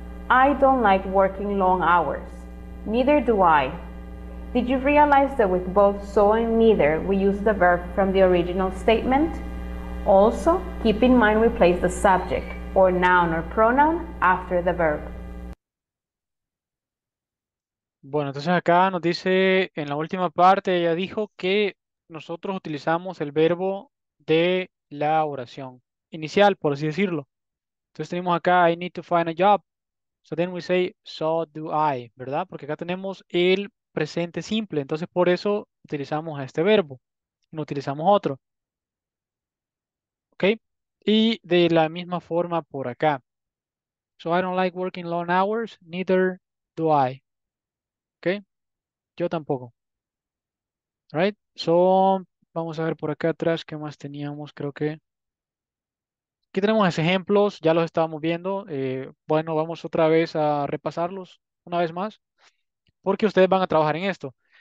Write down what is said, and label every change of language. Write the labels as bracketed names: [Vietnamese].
[English] I don't like working long hours. Neither do I. Did you realize that with both so and neither, we use the verb from the original statement? Also, keep in mind we place the subject, or noun or pronoun, after the verb. [Spanish] Bueno, entonces acá nos dice, en la última parte, ella dijo que nosotros utilizamos el verbo de la oración inicial, por así decirlo. Entonces tenemos acá, [English] I need to find a job. So then we say, so do I, ¿verdad? [Spanish] Porque acá tenemos el presente simple. Entonces, por eso utilizamos este verbo. No utilizamos otro. ¿Ok? Y de la misma forma por acá. [English] So I don't like working long hours, neither do I. [Spanish] ¿Ok? Yo tampoco. Right? So, vamos a ver por acá atrás qué más teníamos, creo que... Aquí tenemos ejemplos, ya los estábamos viendo. Bueno, vamos otra vez a repasarlos una vez más, porque ustedes van a trabajar en esto.